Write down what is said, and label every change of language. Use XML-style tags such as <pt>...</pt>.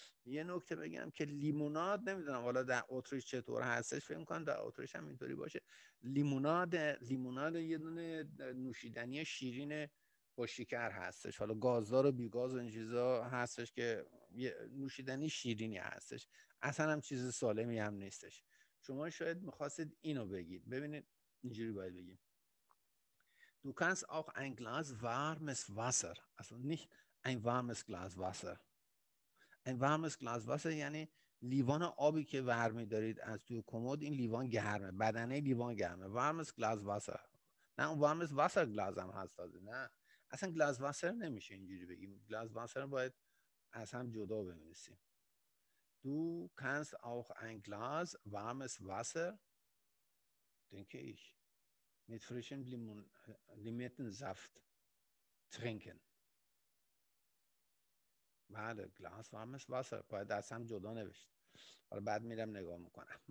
<fa>یه نکته بگم که لیموناد، نمیدونم حالا در اتریش چطور هستش، فکر می‌کنم در اتریش هم اینطوری باشه. لیموناد یه دونه نوشیدنی شیرین با شکر هستش، حالا گازدار و بیگاز و این چیزا هستش، که یه نوشیدنی شیرینی هستش، اصلا هم چیز سالمی هم نیستش. شما شاید میخواستید اینو بگید. ببینید اینجوری باید بگیم:</fa> <de>Du kannst auch ein Glas warmes Wasser, also nicht ein warmes Glas Wasser. Ein warmes Glas Wasser,</de> <fa>yani لیوان آبی که برمیدارید از توی کمد، این لیوان گرمه، بدنه لیوان گرمه.</fa> <de>Warmes Glas Wasser.</de> <fa>نه، اون</fa> <de>warmes Wasser Glas</de> <fa>هم هست تازه. نه، اصلا</fa> <de>Glas Wasser</de> <fa>نمیشه اینجوری بگیم. Glas Wasser باید از هم جدا بنویسیم.</fa> <de>Du kannst auch ein Glas warmes Wasser, denke ich. Mit frischem Limettensaft trinken.</de> <fa>بله، گلاس وارمش واسر باید دستم جدا نوشت. حالا بعد میرم نگاه میکنم.</fa>